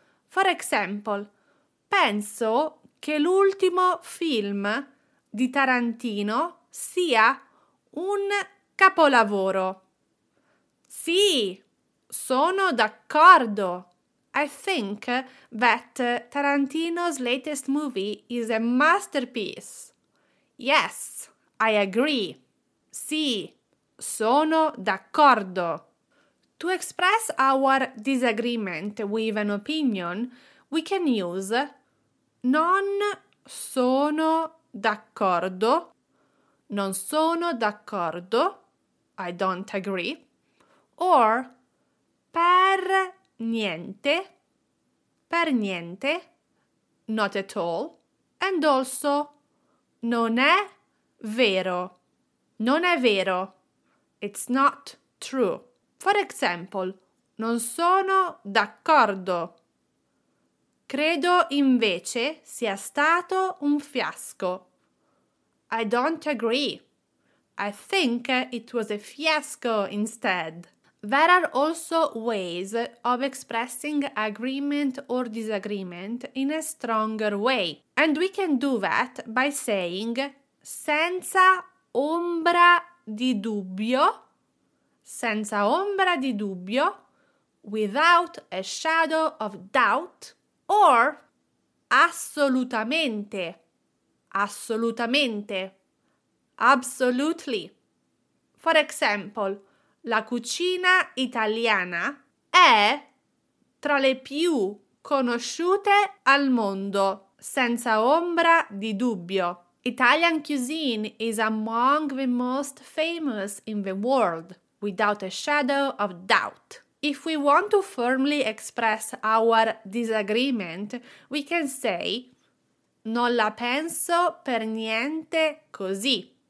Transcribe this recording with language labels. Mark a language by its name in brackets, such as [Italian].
[English] For example, [Italian] penso che l'ultimo film di Tarantino sia un capolavoro. Sì, sono d'accordo. [English] I think that Tarantino's latest movie is a masterpiece. Yes, I agree. [Italian] Sì, sono d'accordo. [English] To express our disagreement with an opinion, we can use [Italian] non sono d'accordo, non sono d'accordo, [English] I don't agree, or [Italian] per niente, per niente, [English] not at all, and also [Italian] non è vero, non è vero, [English] it's not true. For example, [Italian] non sono d'accordo, credo invece sia stato un fiasco. [English] I don't agree, I think it was a fiasco instead. There are also ways of expressing agreement or disagreement in a stronger way. And we can do that by saying [Italian] senza ombra di dubbio, [English] senza ombra di dubbio, without a shadow of doubt, or [Italian] assolutamente, assolutamente, [English] absolutely. For example, [Italian] la cucina italiana è tra le più conosciute al mondo, senza ombra di dubbio. [English] Italian cuisine is among the most famous in the world, without a shadow of doubt. If we want to firmly express our disagreement, we can say [Italian] non la penso per niente così.